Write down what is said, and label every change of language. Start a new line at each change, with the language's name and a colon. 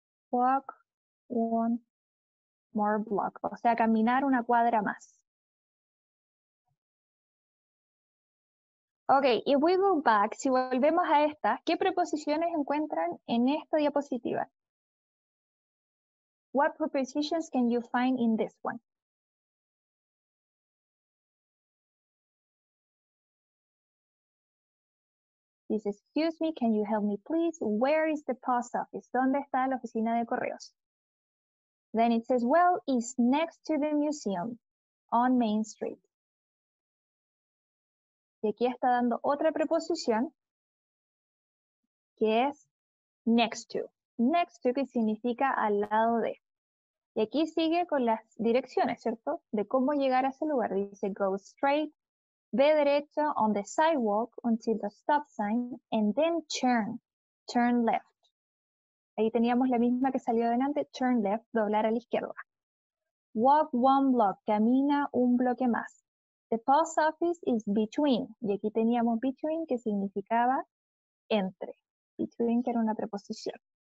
English: Walk one more block,
Spanish: o sea, caminar una cuadra más. Ok,
English: if we go back,
Spanish: si volvemos a esta, ¿qué preposiciones encuentran en esta diapositiva?
English: What prepositions can you find in this one?
Spanish: Dice,
English: excuse me, can you help me please? Where is the post office?
Spanish: ¿Dónde está la oficina de correos?
English: Then it says, well, it's next to the museum on Main Street.
Spanish: Y aquí está dando otra preposición, que es next to. Next to, que significa al lado de. Y aquí sigue con las direcciones, ¿cierto? De cómo llegar a ese lugar. Dice,
English: go straight,
Spanish: ve derecho,
English: on the sidewalk, until the stop sign, and then turn, turn left.
Spanish: Ahí teníamos la misma que salió adelante, turn left, doblar a la izquierda.
English: Walk one block,
Spanish: camina un bloque más.
English: The post office is between,
Spanish: y aquí teníamos between, que significaba entre. Between, que era una preposición.